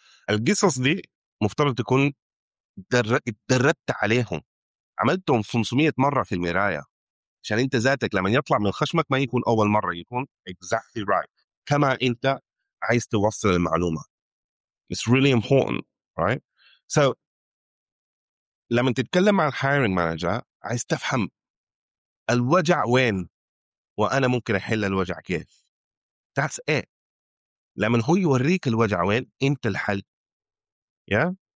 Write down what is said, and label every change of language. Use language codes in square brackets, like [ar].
[ar] القصص دي مفترض تكون تدربت عليهم، عملتهم 500 مرة في المراية، عشان انت ذاتك لما يطلع من خشمك ما يكون اول مره، يكون [en] exactly right [ar] كما انت عايز توصل المعلومه. [en] It's really important, right? [ar] So لما تتكلم مع الهايرنج مانجر عايز تفهم الوجع وين وانا ممكن احل الوجع كيف. [en] That's it. [ar] لما هو يوريك الوجع وين انت الحل. [en] Yeah.